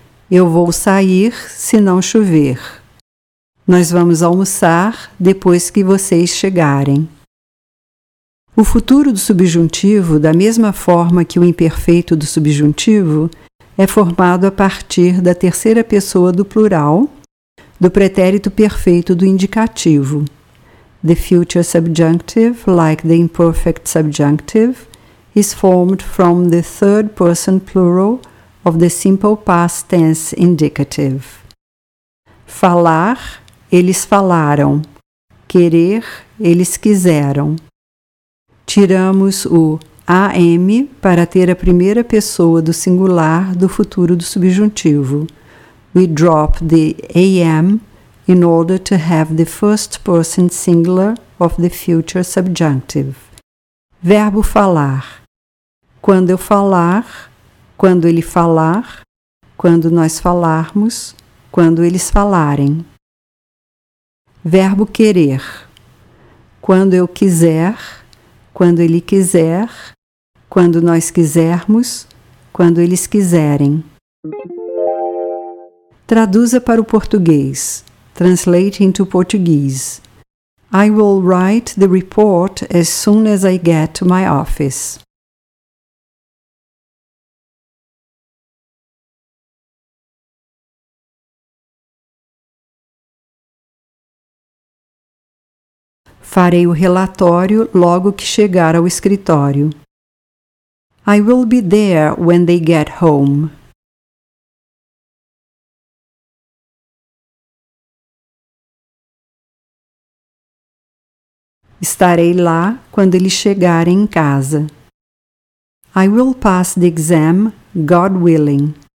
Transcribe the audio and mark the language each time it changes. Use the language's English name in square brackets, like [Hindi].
[Portuguese] Eu vou sair se não chover. Nós vamos almoçar depois que vocês chegarem. O futuro do subjuntivo, da mesma forma que o imperfeito do subjuntivo, é formado a partir da terceira pessoa do plural, do pretérito perfeito do indicativo. [English] The future subjunctive, like the imperfect subjunctive, is formed from the third person plural of the simple past tense indicative. [Portuguese] Falar. Eles falaram. Querer, eles quiseram. Tiramos o AM para ter a primeira pessoa do singular do futuro do subjuntivo. [English] We drop the AM in order to have the first person singular of the future subjunctive. [Portuguese] verbo falar. Quando eu falar, quando ele falar, quando nós falarmos, quando eles falarem. Verbo querer. Quando eu quiser, quando ele quiser, quando nós quisermos, quando eles quiserem. Traduza para o português. [English] Translate into Portuguese. I will write the report as soon as I get to my office. [Portuguese] Farei o relatório logo que chegar ao escritório. I will be there when they get home. Estarei lá quando eles chegarem em casa. [English] I will pass the exam, God willing.